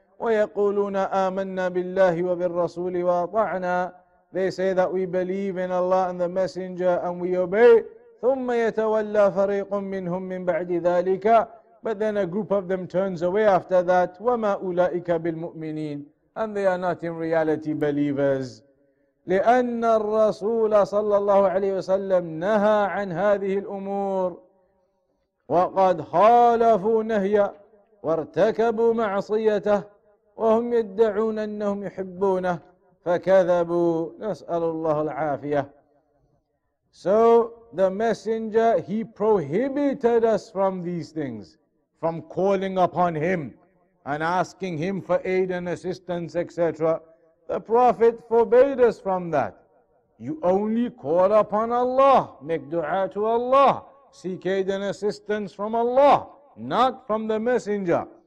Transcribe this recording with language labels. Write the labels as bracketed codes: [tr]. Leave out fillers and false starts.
[ar] وَيَقُولُونَ آمَنَّا بِاللَّهِ وَبِالرَّسُولِ وَأَطَعْنَا. [en] They say that we believe in Allah and the Messenger and we obey. [ar] ثُمَّ يَتَوَلَّى فَرِيقٌ مِّنْهُمْ مِّنْ بَعْدِ ذَلِكَ. [en] But then a group of them turns away after that. [ar] وَمَا أُولَئِكَ بِالْمُؤْمِنِينَ. [en] And they are not in reality believers. [ar] لأن الرسول صلى الله عليه وسلم نهى عن هذه الأمور وقد خالفوا نهيه وارتكبوا معصيته وهم يدعون أنهم يحبونه فكذبوا. نسأل الله العافية. [en] So the messenger, he prohibited us from these things, from calling upon him and asking him for aid and assistance, etc. The Prophet forbade us from that. You only call upon Allah, make dua to Allah, seek aid and assistance from Allah, not from the messenger.